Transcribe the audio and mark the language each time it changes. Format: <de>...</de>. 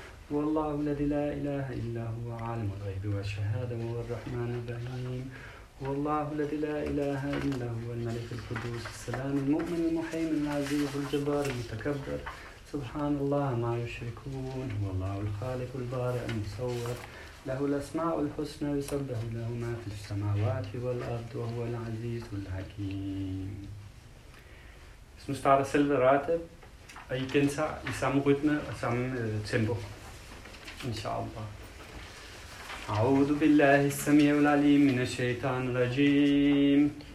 <ar>والله الذي لا إله إلا هو عالم الغيب والشهادة وهو الرحمن الرحيم والله الذي لا إله إلا هو الملك القدوس السلام المؤمن المهيمن العزيز الجبار المتكبر سبحان الله ما يشركون هو الله الخالق البارئ المصور له الأسماء الحسنى يسبح له ما في السماوات والأرض وهو العزيز الحكيم.</ar> <da>Så nu starter selve Ratib, og I gentager i samme rytme og samme tempo.</da> <ar>Inshallah. أعوذ بالله السميع العليم من الشيطان الرجيم.</ar>